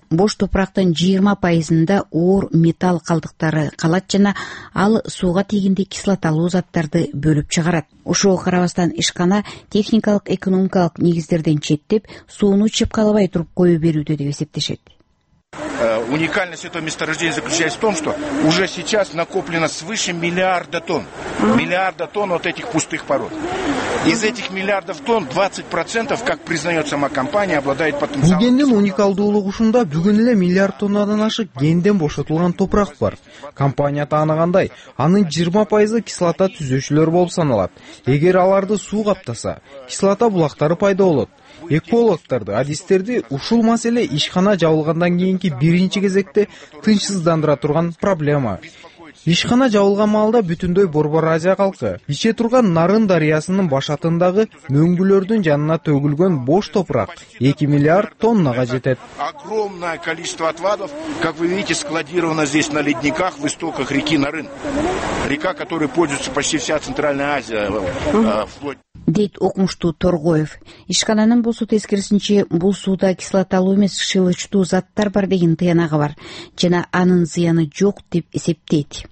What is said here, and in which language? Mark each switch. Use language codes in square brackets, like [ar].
[ky] Бош топурактын 20% оор металл калдыктары калат жана ал сууга тийгенде кислоталуу заттарды бөлүп чыгарат. Ошого карабастан ишкана техникалык экономикалык негиздерден четтеп сууну чыпкалабай туруп кое берүүдө деп эсептешет. [ru] Уникальность этого месторождения заключается в том, что уже сейчас накоплено свыше миллиарда тонн. Миллиарда тонн вот этих пустых пород. Из этих миллиардов тонн 20%, как признает сама компания, обладает потенциалом. [ky] Бул кендин уникалдуулугу ушунда, бүгүн эле миллиард тоннадан ашык кенден бошотулган топурак бар. Компания таанагандай, анын 20% кислота түзүүчүлөр болуп саналат. Эгер аларды суу каптаса, кислота булактары пайда болот. Экологдорду, адистерди ушул маселе ишкана жабылгандан кийинки биринчи кезекте тынчсыздандыра турган проблема. Ишкана жабылган маалда бүтүндөй Борбор Азия калкы иче турган Нарын дарыясынын башатындагы мөңгүлөрдүн жанына төгүлгөн бош топурак 2 миллиард тоннага жетет. [ru] Огромное количество отвадов, как вы видите, складировано здесь на ледниках в истоках реки Нарын. Река, которой пользуется почти вся Центральная Азия. [ky] Дейт окумуштуу Торгоев. Ишкананын бул суту эскерсинче бул сууда кислоталуу эмес шылычтуу заттар бар деген тыянагы бар жана анын зыяны жок деп эсептейт.